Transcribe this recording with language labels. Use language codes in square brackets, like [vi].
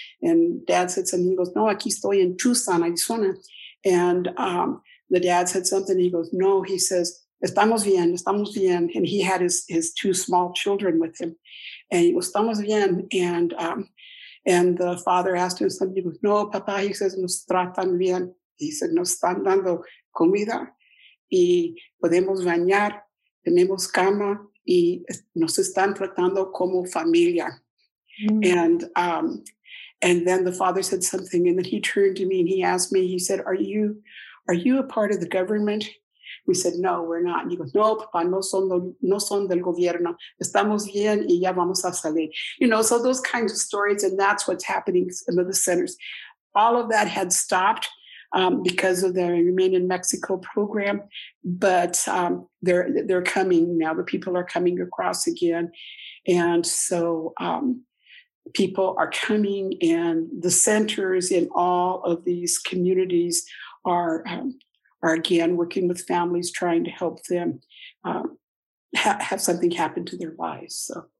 [en] And dad said something, he goes, [es] no, aquí estoy en Tucson, Arizona. [en] And the dad said something, he goes, no, he says, [es] estamos bien, estamos bien. [en] And he had his two small children with him, and he goes, [es] estamos bien. [en] And the father asked him something. He goes, [es] no, papá. [en] He says, [es] nos tratan bien. [en] He said, [es] nos están dando comida y podemos bañar. Tenemos cama y nos están tratando como familia. Mm-hmm. [en] And then the father said something. And then he turned to me and he asked me, he said, are you a part of the government? We said, no, we're not. And he goes, [es] no, papá, no son del gobierno. Estamos bien y ya vamos a salir. [en] You know, so those kinds of stories, and that's what's happening in the centers. All of that had stopped because of the Remain in Mexico program, but they're coming now. The people are coming across again. And so people are coming, and the centers in all of these communities are again working with families, trying to help them have something happen to their lives.